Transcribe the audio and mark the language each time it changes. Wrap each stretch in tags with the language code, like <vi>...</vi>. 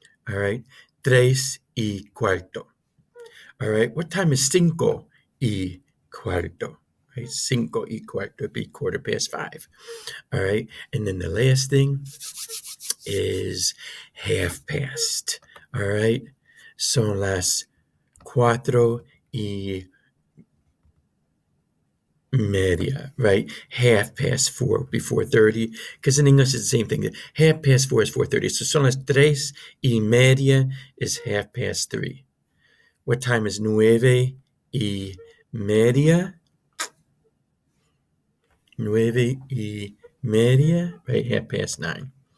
<en>All right,</en> <es>tres y cuarto.</es> <en>All right, what time is</en> <es>cinco y cuarto?</es> <en>Right,</en> <es>cinco y cuarto</es> <en>would be quarter past five. All right, and then the last thing is half past. All right,</en> <es>son las cuatro y media, right?</es> <en>Half past four before 4:30, because in English it's the same thing. Half past four is 4:30, so</en> <es>son las tres y media</es> <en>is half past three. What time is</en> <es>nueve y media? Nueve y media, right?</es> <en>Half past nine.</en>